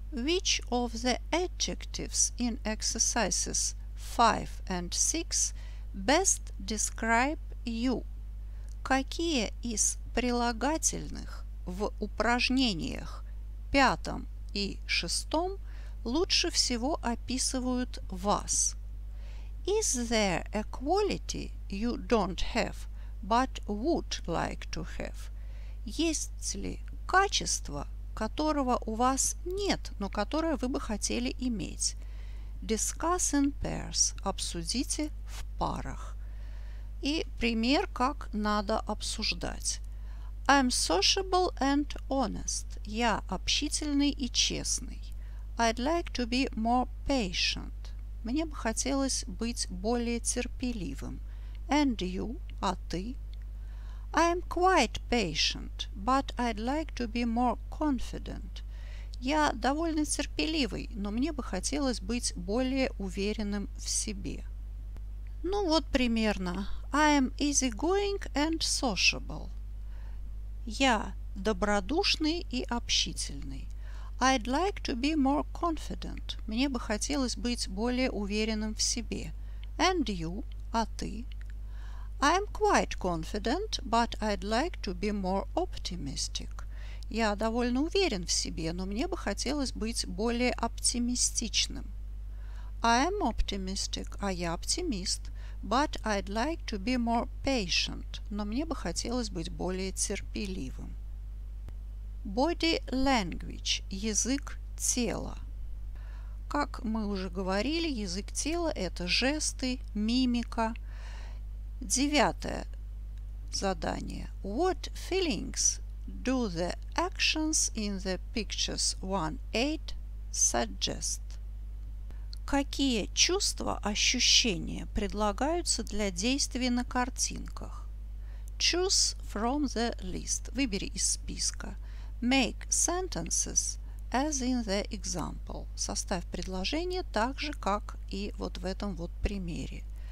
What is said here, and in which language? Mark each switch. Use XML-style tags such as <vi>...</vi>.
<en>Which of the adjectives in exercises 5 and 6 best describe you?</en> <ru>Какие из прилагательных в упражнениях 5 и 6 лучше всего описывают вас?</ru> <en>Is there a quality you don't have but would like to have?</en> <ru>Есть ли качество, которого у вас нет, но которое вы бы хотели иметь?</ru> <en>Discuss in pairs.</en> <ru>Обсудите в парах. И пример, как надо обсуждать.</ru> <en>I'm sociable and honest.</en> <ru>Я общительный и честный.</ru> <en>I'd like to be more patient.</en> <ru>Мне бы хотелось быть более терпеливым.</ru> <en>And you?</en> <ru>А ты?</ru> <en>I am quite patient, but I'd like to be more confident.</en> <ru>Я довольно терпеливый, но мне бы хотелось быть более уверенным в себе. Ну вот примерно.</ru> <en>I am easygoing and sociable.</en> <ru>Я добродушный и общительный.</ru> <en>I'd like to be more confident.</en> <ru>Мне бы хотелось быть более уверенным в себе.</ru> <en>And you?</en> <ru>А ты?</ru> <en>I'm quite confident, but I'd like to be more optimistic.</en> <ru>Я довольно уверен в себе, но мне бы хотелось быть более оптимистичным.</ru> <en>I am optimistic,</en> <ru>а я оптимист,</ru> <en>but I'd like to be more patient.</en> <ru>Но мне бы хотелось быть более терпеливым. Body language – язык тела. Как мы уже говорили, язык тела – это жесты, мимика. Девятое задание.</ru> <en>What feelings do the actions in the pictures 1-8 suggest?</en> <ru>Какие чувства, ощущения предлагаются для действий на картинках?</ru> <en>Choose from the list.</en> <ru>Выбери из списка.</ru> <en>Make sentences as in the example.</en> <ru>Составь предложение так же, как и вот в этом вот примере.</ru>